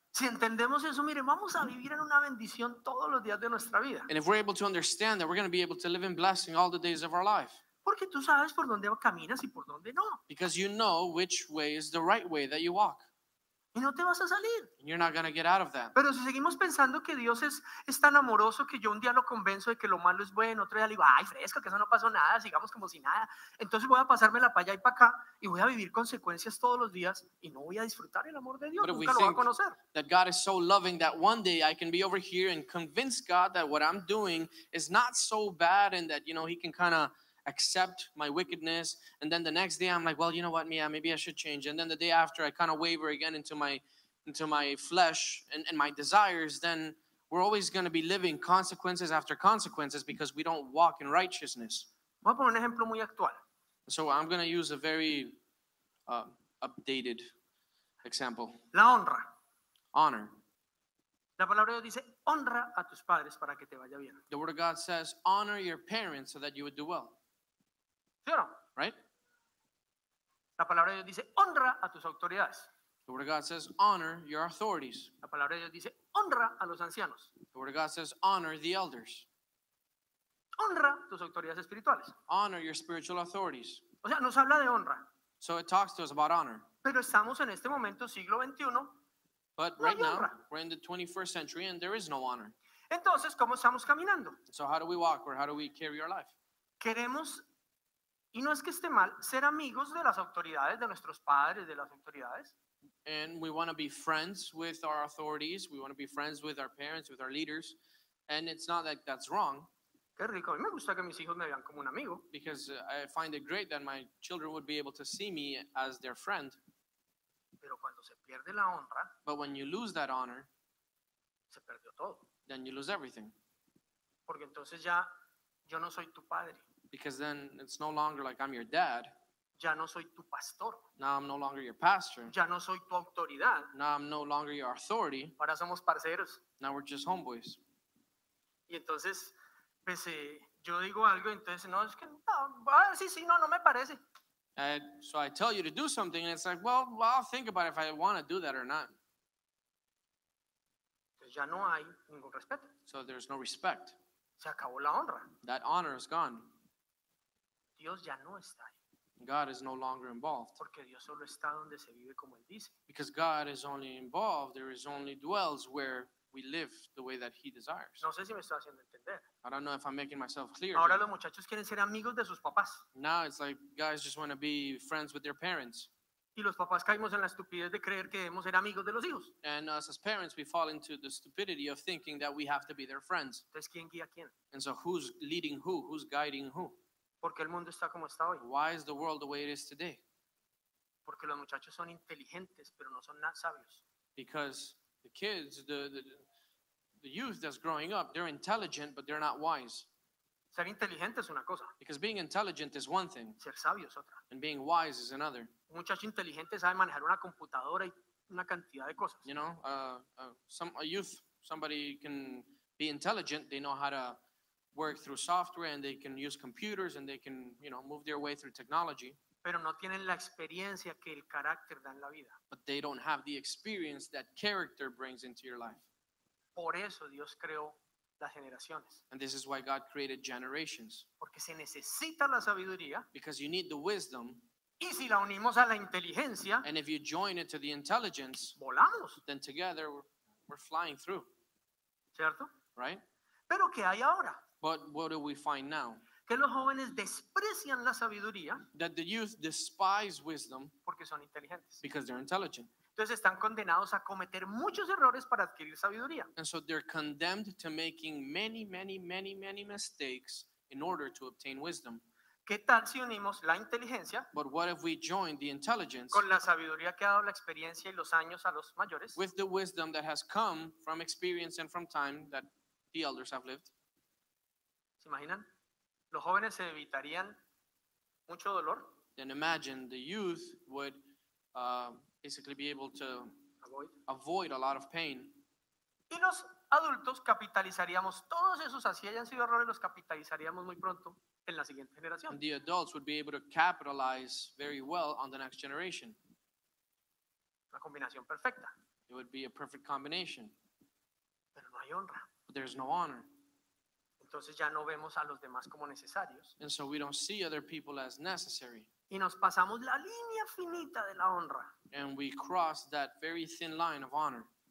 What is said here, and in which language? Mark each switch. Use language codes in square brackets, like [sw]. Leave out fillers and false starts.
[es] Si entendemos eso, mire, vamos a vivir en una bendición todos los días de nuestra vida. [en] And if we're able to understand that, we're going to be able to live in blessing all the days of our life. [es] Porque tú sabes por dónde caminas y por dónde no. [en] Because you know which way is the right way that you walk. [es] Y no te vas a salir. [en] And you're not going to get out of that. [es] Pero si seguimos pensando que Dios es tan amoroso que yo un día lo convenzo de que lo malo es bueno, otro día le digo, ay, fresco, que eso no pasó nada, sigamos como si nada. Entonces voy a pasarme la paya y para acá y voy a vivir consecuencias todos los días y no voy a disfrutar el amor de Dios, [en] but [es] nunca lo voy a conocer. [en] That God is so loving that one day I can be over here and convince God that what I'm doing is not so bad and that, you know, he can kind of accept my wickedness. And then the next day I'm like, well, you know what, Mia, maybe I should change. And then the day after I kind of waver again into my flesh and my desires. Then we're always going to be living consequences after consequences because we don't walk in righteousness. [es] Voy a poner un ejemplo muy actual. [en] So I'm going to use a very updated example. [es] La honra. [en] Honor. [es] La palabra de Dios dice, honra a tus padres para que te vaya bien. [en] The word of God says, honor your parents so that you would do well. [es] ¿Sí o no? [en] Right? [es] La palabra de Dios dice, honra a tus autoridades. [en] The word of God says, honor your authorities. [es] La palabra de Dios dice, honra a los ancianos. [en] The word of God says, honor the elders. [es] Honra tus autoridades espirituales. [en] Honor your spiritual authorities. [es] O sea, nos habla de honra. [en] So it talks to us about honor. [es] Pero estamos en este momento, siglo XXI. [en] But [es] no [en] right now, [es] honra. [en] We're in the 21st century and there is no honor. [es] Entonces, ¿cómo estamos caminando? [en] So how do we walk or how do we carry our life? [es] Queremos, y no es que esté mal, ser amigos de las autoridades, de nuestros padres, de las autoridades. [en] And we want to be friends with our authorities. We want to be friends with our parents, with our leaders. And it's not that that's wrong. [es] Qué rico. A mí me gusta que mis hijos me vean como un amigo. [en] Because I find it great that my children would be able to see me as their friend. [es] Pero cuando se pierde la honra, [en] but when you lose that honor, [es] se perdió todo. [en] Then you lose everything. [es] Porque entonces ya yo no soy tu padre. [en] Because then it's no longer like I'm your dad. [es] Ya no soy tu pastor. [en] Now I'm no longer your pastor. [es] Ya no soy tu autoridad. [en] Now I'm no longer your authority. [es] Ahora somos parceros. [en] Now we're just homeboys. [es] Y entonces, pues, yo digo algo, entonces, no, es que, no, ah, sí, sí, no, no me parece. [en] So I tell you to do something, and it's like, well, I'll think about if I want to do that or not. [es] Entonces ya no hay ningún respeto. [en] So there's no respect. [es] Se acabó la honra. [en] That honor is gone. [es] Dios ya no está ahí. [en] God is no longer involved. [es] Porque Dios solo está donde se vive como él dice. [en] Because God is only involved, there is only dwells where we live the way that he desires. [es] No sé si me estoy haciendo entender. [en] I don't know if I'm making myself clear. [es] Ahora los muchachos quieren ser amigos de sus papás. [en] Now it's like guys just want to be friends with their parents. [es] Y los papás caemos en la estupidez de creer que debemos ser amigos de los hijos. [en] And us as parents, we fall into the stupidity of thinking that we have to be their friends. [es] Entonces, ¿quién guía a quién? [en] And so who's leading who? Who's guiding who? [es] Porque el mundo está como está hoy. [en] Why is the world the way it is today? [es] Porque los muchachos son inteligentes, pero no son nada sabios. [en] Because the kids, the youth that's growing up, they're intelligent, but they're not wise. [es] Ser inteligente es una cosa. [en] Because being intelligent is one thing. [es] Ser sabio es otra. [en] And being wise is another. [es] Un muchacho inteligente sabe manejar una computadora y una cantidad de cosas. [en] You know, somebody can be intelligent, they know how to work through software and they can use computers and they can, you know, move their way through technology. [es] Pero no tienen la experiencia que el carácter da en la vida. [en] But they don't have the experience that character brings into your life. [es] Por eso Dios creó las generaciones. [en] And this is why God created generations. [es] Porque se necesita la sabiduría. [en] Because you need the wisdom. [es] Y si la unimos a la inteligencia, [en] and if you join it to the intelligence, [es] volamos. [en] Then together we're flying through. [es] ¿Cierto? [en] Right? [es] Pero ¿qué hay ahora? [en] But what do we find now? [es] Que los jóvenes desprecian la sabiduría. [en] That the youth despise wisdom. [es] Porque son inteligentes. [en] Because they're intelligent. [es] Entonces están condenados a cometer muchos errores para adquirir sabiduría. [en] And so they're condemned to making many, many, many, many mistakes in order to obtain wisdom. [es] ¿Qué tal si unimos la inteligencia? [en] But what if we join the intelligence? [es] Con la sabiduría que ha dado la experiencia y los años a los mayores. [en] With the wisdom that has come from experience and from time that the elders have lived. [es] ¿Se imaginan? Los jóvenes se evitarían mucho dolor. [en] Then imagine the youth would basically be able to avoid a lot of pain. [es] Y los adultos capitalizaríamos todos esos, así hayan sido errores, los capitalizaríamos muy pronto en la siguiente generación. [en] And the adults would be able to capitalize very well on the next generation. [es] Una combinación perfecta. [en] It would be a perfect combination. [es] Pero no hay honra. [en] But there's no honor. [es] Entonces ya no vemos a los demás como necesarios. [en] And so we don't see other people as necessary. [es] Y nos pasamos la línea finita de la honra. [en] And we cross that very thin line of honor.